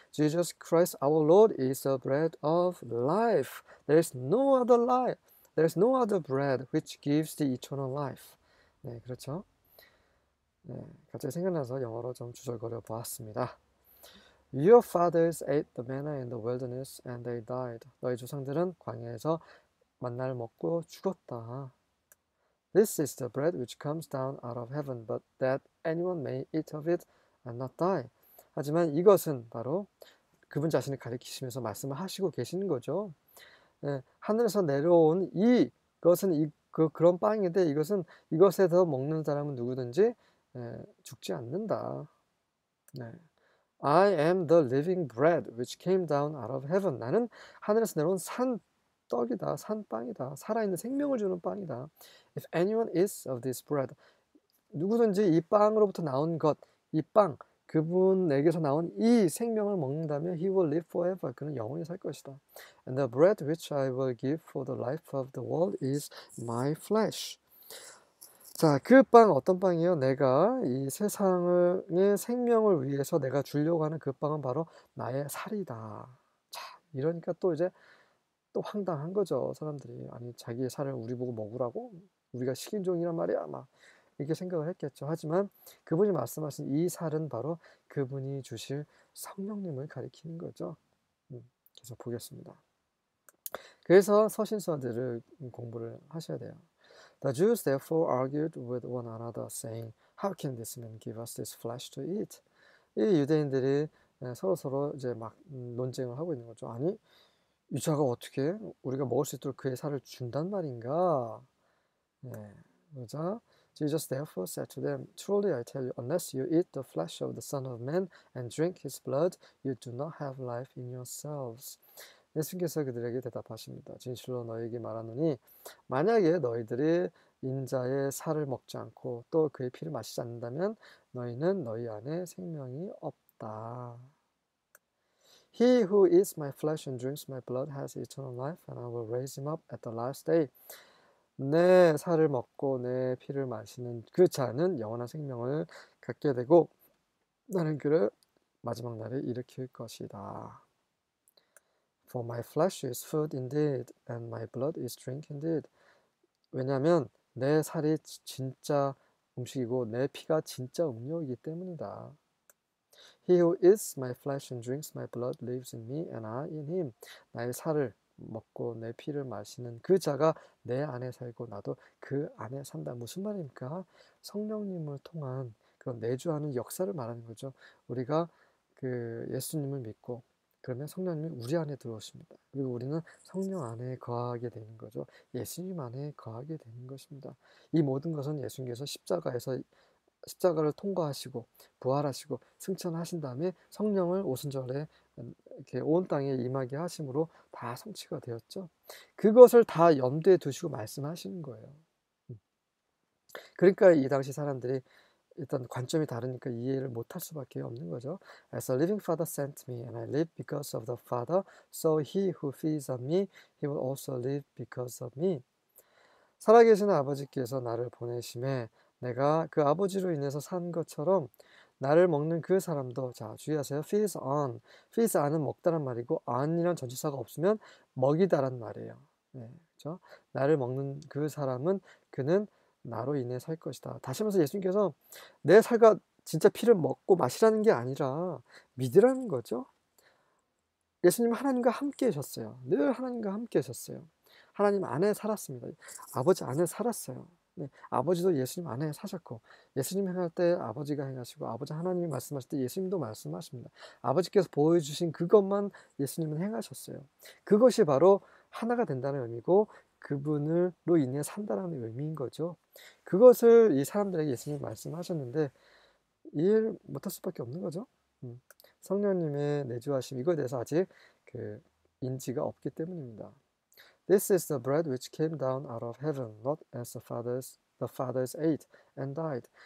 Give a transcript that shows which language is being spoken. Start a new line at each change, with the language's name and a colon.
English: Jesus Christ, our Lord, is the bread of life. There is no other life. There is no other bread which gives the eternal life.
Korean: 네, 그렇죠. 갑자기 생각나서 영어로 좀 주절거려 보았습니다.
English: Your fathers ate the manna in the wilderness and they died.
Korean: 너희 조상들은 광야에서 만나를 먹고 죽었다.
English: This is the bread which comes down out of heaven, but that anyone may eat of it and not die.
Korean: 하지만 이것은 바로 그분 자신을 가리키시면서 말씀을 하시고 계시는 거죠. 하늘에서 내려온 이것은 그런 빵인데, 이것에서 먹는 사람은 누구든지 죽지 않는다.
English: I am the living bread which came down out of heaven.
Korean: 나는 하늘에서 내려온 산 떡이다. 산 빵이다. 살아있는 생명을 주는 빵이다.
English: If anyone eats of this bread,
Korean: 누구든지 이 빵으로부터 나온 것, 이 빵, 그분에게서 나온 이 생명을 먹는다면
English: he will live forever.
Korean: 그는 영원히 살 것이다.
English: And the bread which I will give for the life of the world is my flesh.
Korean: 자, 그빵 어떤 빵이에요? 내가 이 세상의 생명을 위해서 내가 주려고 하는 그 빵은 바로 나의 살이다. 자, 이러니까 또 이제 또 황당한 거죠, 사람들이. 아니, 자기의 살을 우리 보고 먹으라고? 우리가 식인종이란 말이야, 막 이렇게 생각을 했겠죠. 하지만 그분이 말씀하신 이 살은 바로 그분이 주실 성령님을 가리키는 거죠. 계속 보겠습니다. 그래서 서신서들을 공부를 하셔야 돼요.
English: The Jews therefore argued with one another, saying, How can this man give us this flesh to eat?
Korean: 이 유대인들이 서로서로 이제 막 논쟁을 하고 있는 거죠. 아니, 유자가 어떻게 우리가 먹을 수 있도록 그의 살을 준단 말인가? 그러자
English: Jesus therefore said to them, Truly I tell you, unless you eat the flesh of the Son of Man and drink his blood, you do not have life in yourselves.
Korean: 예수님께서 그들에게 대답하십니다. 진실로 너에게 말하노니 만약에 너희들이 인자의 살을 먹지 않고 또 그의 피를 마시지 않는다면 너희는 너희 안에 생명이 없다.
English: He who eats my flesh and drinks my blood has eternal life, and I will raise him up at the last day.
Korean: 내 살을 먹고 내 피를 마시는 그 자는 영원한 생명을 갖게 되고 나는 그를 마지막 날에 일으킬 것이다.
English: For my flesh is food indeed, and my blood is drink indeed.
Korean: 왜냐하면 내 살이 진짜 음식이고 내 피가 진짜 음료이기 때문이다.
English: He who eats my flesh and drinks my blood lives in me, and I in him.
Korean: 나의 살을 먹고 내 피를 마시는 그 자가 내 안에 살고 나도 그 안에 산다. 무슨 말입니까? 성령님을 통한 그런 내주하는 역사를 말하는 거죠. 우리가 그 예수님을 믿고 그러면 성령님이 우리 안에 들어오십니다. 그리고 우리는 성령 안에 거하게 되는 거죠. 예수님 안에 거하게 되는 것입니다. 이 모든 것은 예수님께서 십자가를 통과하시고 부활하시고 승천하신 다음에 성령을 오순절에 이렇게 온 땅에 임하게 하심으로 다 성취가 되었죠. 그것을 다 염두에 두시고 말씀하시는 거예요. 그러니까 이 당시 사람들이 일단 관점이 다르니까 이해를 못할 수밖에 없는 거죠.
English: As the living Father sent me, and I live because of the Father, so he who feeds on me, he will also live because of me.
Korean: 살아계시는 아버지께서 나를 보내심에 내가 그 아버지로 인해서 산 것처럼 나를 먹는 그 사람도 자 주의하세요. Feeds on. Feeds on은 먹다란 말이고 on이란 전치사가 없으면 먹이다란 말이에요. 네, 그렇죠? 나를 먹는 그 사람은 그는 나로 인해 살 것이다. 다시 말해서 예수님께서 내 살과 진짜 피를 먹고 마시라는 게 아니라 믿으라는 거죠. 예수님 하나님과 함께 계셨어요. 늘 하나님과 함께 계셨어요. 하나님 안에 살았습니다. 아버지 안에 살았어요. 네, 아버지도 예수님 안에 사셨고 예수님 행할 때 아버지가 행하시고 아버지 하나님이 말씀하실 때 예수님도 말씀하십니다. 아버지께서 보여주신 그것만 예수님은 행하셨어요. 그것이 바로 하나가 된다는 의미고 그분으로 인해 산다라는 의미인 거죠. 그것을 이 사람들에게 예수님이 말씀하셨는데 이해를 못할 수밖에 없는 거죠. 성령님의 내주하심 이거에 대해서 아직 그 인지가 없기 때문입니다.
English: This is the bread which came down out of heaven, not as the fathers ate and died.